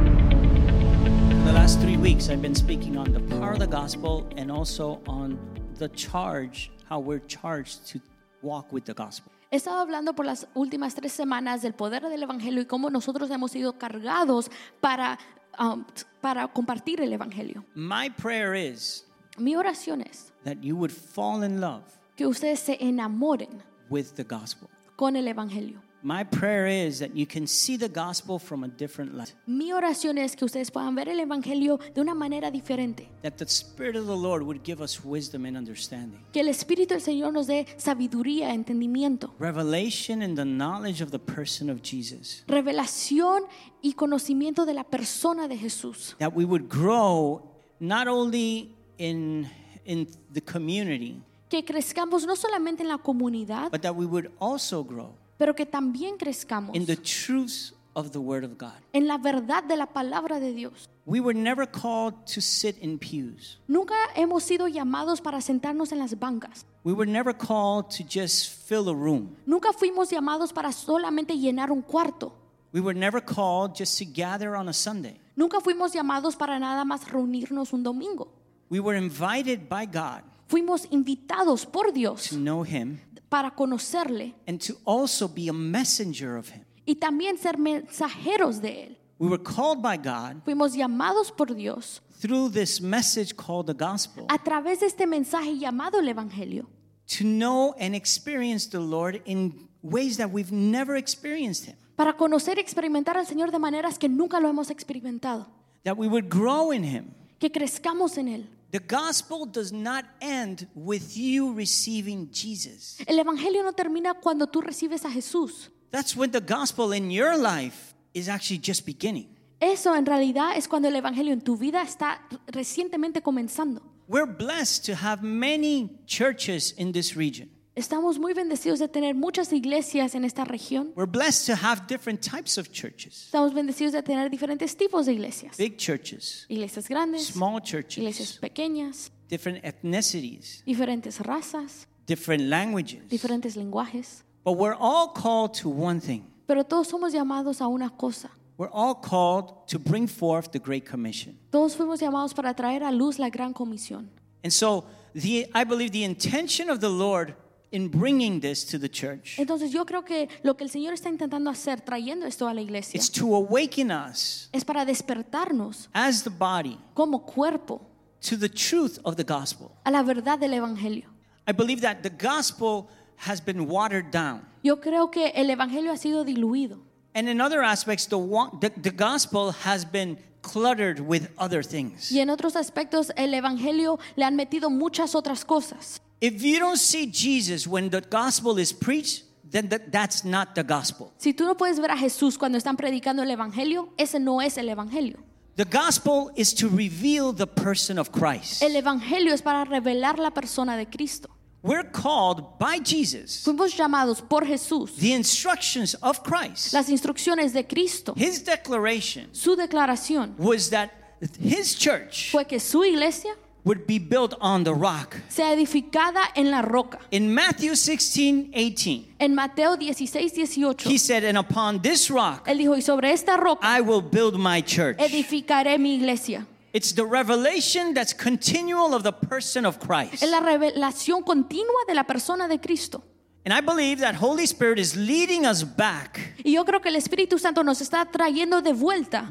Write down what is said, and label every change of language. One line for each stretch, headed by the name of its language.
English: In the last 3 weeks I've been speaking on the power of the gospel and also on the charge, how we're charged to walk with the gospel.
Spanish: He estado hablando por las últimas 3 semanas del poder del evangelio y cómo nosotros hemos sido cargados para compartir el evangelio.
English: My prayer is,
Spanish: mi oración es
English: that you would fall in love,
Spanish: que ustedes se enamoren
English: with the gospel,
Spanish: con el evangelio.
English: My prayer is that you can see the gospel from a different light.
Spanish: Mi oración es que ustedes puedan ver el evangelio de una manera diferente.
English: That the Spirit of the Lord would give us wisdom and understanding.
Spanish: Que el Espíritu del Señor nos dé sabiduría, entendimiento.
English: Revelation and the knowledge of the person of Jesus.
Spanish: Revelación y conocimiento de la persona de Jesús.
English: That we would grow not only in the community.
Spanish: Que crezcamos no solamente en la comunidad.
English: But that we would also grow.
Spanish: Pero que también crezcamos
English: in the truth of the word of God.
Spanish: En la verdad de la palabra de Dios.
English: We were never called to sit in pews.
Spanish: Nunca hemos sido llamados para sentarnos en las bancas.
English: We were never called to just fill a room.
Spanish: Nunca fuimos llamados para solamente llenar un cuarto.
English: We were never called just to gather on a Sunday.
Spanish: Nunca fuimos llamados para nada más reunirnos un domingo.
English: We were invited by God.
Spanish: Fuimos invitados por Dios.
English: To know him.
Spanish: Para conocerle,
English: and to also be a messenger of him.
Spanish: Y también ser mensajeros de él.
English: We were called by God.
Spanish: Fuimos llamados por Dios.
English: Through this message called the gospel.
Spanish: A través de este mensaje llamado el evangelio.
English: To know and experience the Lord in ways that we've never experienced him.
Spanish: Para conocer y experimentar al Señor de maneras que nunca lo hemos experimentado.
English: That we would grow in him.
Spanish: Que crezcamos en él.
English: The gospel does not end with you receiving Jesus.
Spanish: El evangelio no termina cuando tú recibes a Jesús.
English: That's when the gospel in your life is actually just beginning.
Spanish: Eso en realidad es cuando el evangelio en tu vida está recientemente comenzando.
English: We're blessed to have many churches in this region.
Spanish: Estamos muy bendecidos de tener muchas iglesias en esta región.
English: We're blessed to have different types of churches.
Spanish: Estamos bendecidos de tener diferentes tipos de iglesias.
English: Big churches.
Spanish: Iglesias grandes.
English: Small churches.
Spanish: Iglesias pequeñas.
English: Different ethnicities.
Spanish: Diferentes razas.
English: Different languages.
Spanish: Diferentes lenguajes.
English: But we're all called to one thing.
Spanish: Pero todos somos llamados a una cosa.
English: We're all called to bring forth the Great Commission.
Spanish: Todos fuimos llamados para traer a luz la Gran Comisión.
English: And so, I believe the intention of the Lord in bringing this to the church.
Spanish: Entonces yo creo que lo que el Señor está intentando hacer trayendo esto a la iglesia.
English: It's to awaken us.
Spanish: Es para despertarnos.
English: As the body.
Spanish: Como cuerpo.
English: To the truth of the gospel.
Spanish: A la verdad del evangelio.
English: I believe that the gospel has been watered down.
Spanish: Yo creo que el evangelio ha sido diluido.
English: And in other aspects the gospel has been cluttered with other things.
Spanish: Y en otros aspectos el evangelio le han metido muchas otras cosas.
English: If you don't see Jesus when the gospel is preached, then that's not the gospel.
Spanish: Si tú no puedes ver a Jesús cuando están predicando el evangelio, ese no es el evangelio.
English: The gospel is to reveal the person of Christ.
Spanish: El evangelio es para revelar la persona de Cristo.
English: We're called by Jesus.
Spanish: Fuimos llamados por Jesús.
English: The instructions of Christ.
Spanish: Las instrucciones de Cristo.
English: His declaration.
Spanish: Su declaración.
English: Was that his church?
Spanish: Fue que su iglesia
English: would be built on the rock.
Spanish: Sea edificada en la roca.
English: In Matthew 16:18.
Spanish: En Mateo 16:18.
English: He said, "And upon this rock,
Spanish: él dijo, y sobre esta roca,
English: I will build my church."
Spanish: Edificaré mi iglesia.
English: It's the revelation that's continual of the person of Christ.
Spanish: Es la revelación continua de la persona de Cristo.
English: And I believe that Holy Spirit is leading us back.
Spanish: Y yo creo que el Espíritu Santo nos está trayendo de vuelta.